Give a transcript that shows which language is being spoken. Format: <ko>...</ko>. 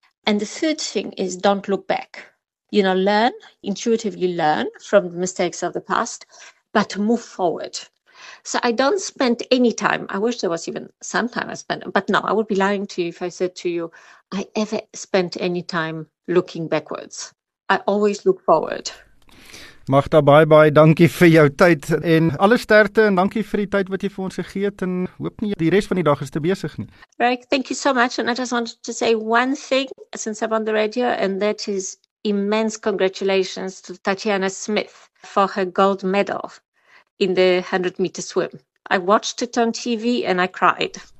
<en>And the third thing is don't look back. You know, learn, intuitively learn from the mistakes of the past, but move forward. So I don't spend any time. I wish there was even some time I spent, but no, I would be lying to you if I said to you, I ever spent any time looking backwards. I always look forward.</en> <af>Magda, baie baie dankie vir jou tyd en alle sterkte en dankie vir die tyd wat jy vir ons gegee het en hoop nie die res van die dag is te besig nie.</af> <en>Rick, thank you so much and I just wanted to say one thing since I'm on the radio and that is immense congratulations to Tatiana Smith for her gold medal in the 100 meter swim. I watched it on TV and I cried.</en>